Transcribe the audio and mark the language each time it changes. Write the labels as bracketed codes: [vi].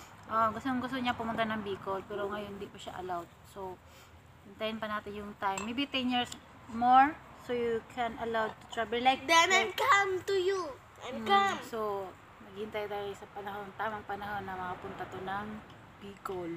[tl] Oh, gusto niya pumunta ng Bicol pero ngayon hindi pa siya allowed. So hintayin pa natin yung time. [en] Maybe 10 years more so you can allowed to travel like then I'll come to you. I'll come. [tl] So maghintay tayo sa panahon, tamang panahon na makapunta to ng Bicol.